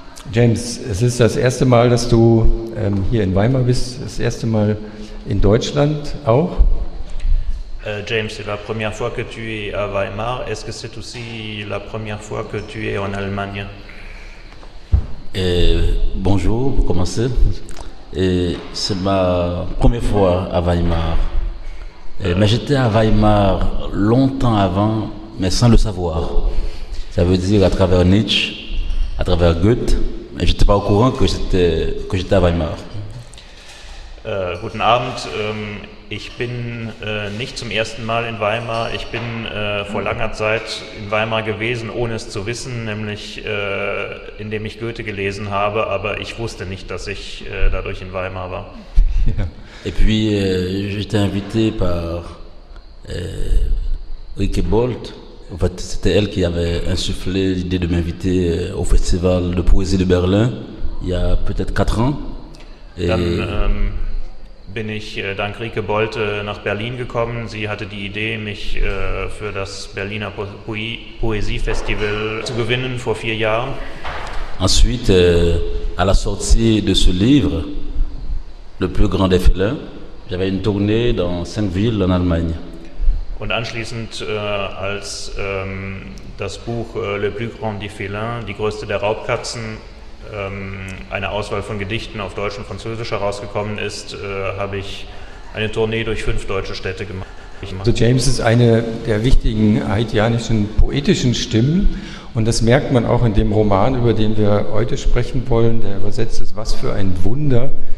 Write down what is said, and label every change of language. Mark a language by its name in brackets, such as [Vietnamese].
[German] James, es ist das erste Mal, dass du hier in Weimar bist, das erste Mal in Deutschland auch. [French] James, c'est la première fois que tu es à Weimar. Est-ce que c'est aussi la première fois que tu es en Allemagne? Bonjour, pour commencer. C'est ma première fois à Weimar. Mais j'étais à Weimar longtemps avant, mais sans le savoir. Ça veut dire à travers Nietzsche, à travers Goethe. Je n'étais pas au courant que j'étais à Weimar. [German] Guten Abend. Ich bin nicht zum ersten Mal in Weimar. Ich bin vor langer Zeit in Weimar gewesen, ohne es zu wissen, nämlich indem ich Goethe gelesen habe, aber ich wusste nicht, dass ich dadurch in Weimar war. [French] Et puis, j'étais invité par Rike Bolt. En fait, c'était elle qui avait insufflé l'idée de m'inviter au Festival de Poésie de Berlin il y a peut-être 4 ans. [German] Et dann bin ich dank Rike Bolte nach Berlin gekommen. Sie hatte die Idee, mich für das Berliner Poésie-Festival zu gewinnen vor 4 Jahren. [French] Ensuite, à la sortie de ce livre, Le plus grand des félins, j'avais une tournée dans 5 villes en Allemagne. [German] Und anschließend, als das Buch Le plus grand des félins, die größte der Raubkatzen, eine Auswahl von Gedichten auf Deutsch und Französisch herausgekommen ist, habe ich eine Tournee durch 5 deutsche Städte gemacht. Also James ist eine der wichtigen haitianischen poetischen Stimmen und das merkt man auch in dem Roman, über den wir heute sprechen wollen, der übersetzt ist »Was für ein Wunder«.